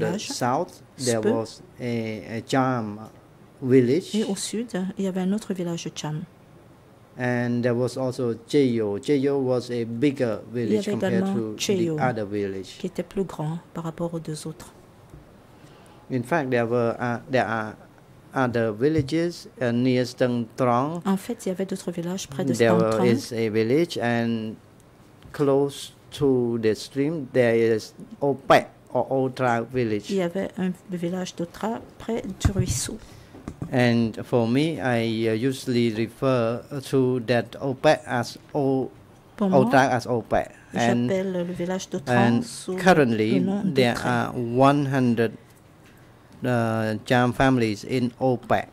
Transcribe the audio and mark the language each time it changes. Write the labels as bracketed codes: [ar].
[en] And to the south, there was a Cham village. [fr] Et au sud, il y avait un autre village Cham. [en] And there was also Cheyo. Cheyo was a bigger village compared to Cheyo, the other village. [fr] Qui était plus grand par rapport aux deux autres. [en] In fact, there are other villages near Steng Trong. [fr] En fait, il y avait d'autres villages près de Steng Trong. [en] There is a village and close to the stream, there is Ope or Otra village. [fr] Il y avait un village d'Otra près du ruisseau. [en] And for me, I usually refer to that Ope as Otra as Ope. [fr] J'appelle le village d'Otra. [en] And currently, there are 100 Cham families in Ope.